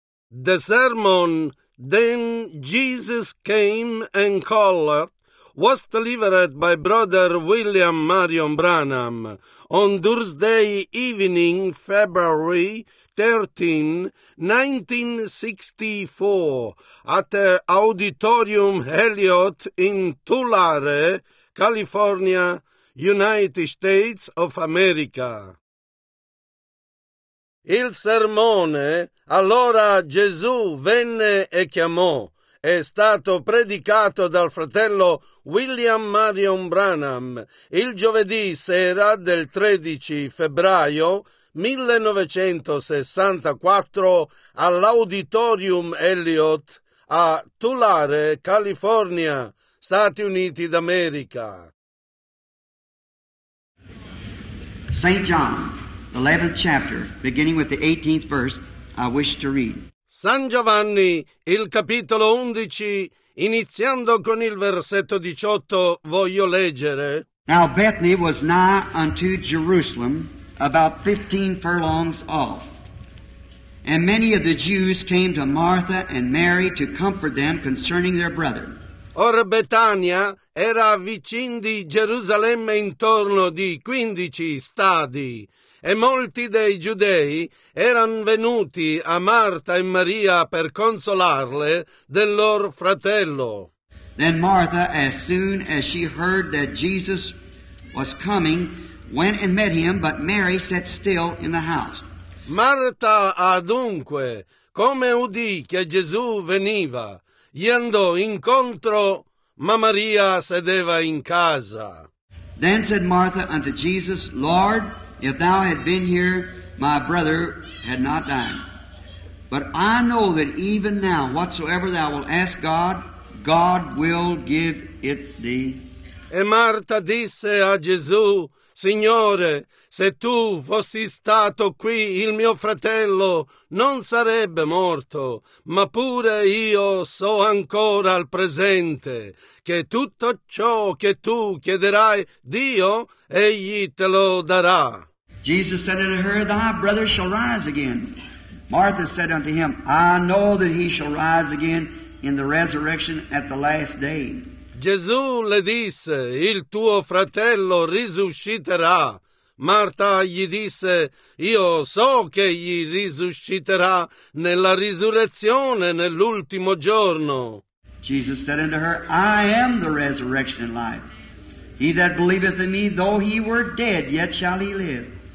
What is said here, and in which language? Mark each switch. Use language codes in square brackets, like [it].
[en] The sermon, "Then Jesus Came and Called," was delivered by Brother William Marion Branham on Thursday evening, February 13, 1964, at Auditorium Elliott in Tulare, California, United States of America. [it] Il sermone, "Allora Gesù venne e chiamò," è stato predicato dal fratello William Marion Branham il giovedì sera del 13 febbraio 1964 all'Auditorium Elliott a Tulare, California, Stati Uniti d'America. [en] St. John, 11th chapter, beginning with the 18th verse, I wish to read. [it] San Giovanni, il capitolo 11, iniziando con il versetto 18, voglio leggere. [en] Now Bethany was nigh unto Jerusalem, about 15 furlongs off. And many of the Jews came to Martha and Mary to comfort them concerning their brother. [it] Or Betania era vicin di Gerusalemme intorno di 15 stadi. E molti dei giudei eran venuti a Marta e Maria per consolarle del lor fratello. [en] Then Martha, as soon as she heard that Jesus was coming, went and met him, but Mary sat still in the house. [it] Marta, adunque, come udì che Gesù veniva, gli andò incontro, ma Maria sedeva in casa. [en] Then said Martha unto Jesus, Lord, if thou had been here, my brother had not died. But I know that even now, whatsoever thou wilt ask God, God will give it thee. [it] E Marta disse a Gesù, Signore, se tu fossi stato qui, il mio fratello non sarebbe morto, ma pure io so ancora al presente che tutto ciò che tu chiederai Dio, egli te lo darà. [en] Jesus said unto her, Thy brother shall rise again. Martha said unto him, I know that he shall rise again in the resurrection at the last day. [it] Gesù le disse, Il tuo fratello risusciterà. Marta gli disse, Io so che egli risusciterà nella risurrezione nell'ultimo giorno. [en] Jesus said unto her, I am the resurrection and life. He that believeth in me, though he were dead, yet shall he live.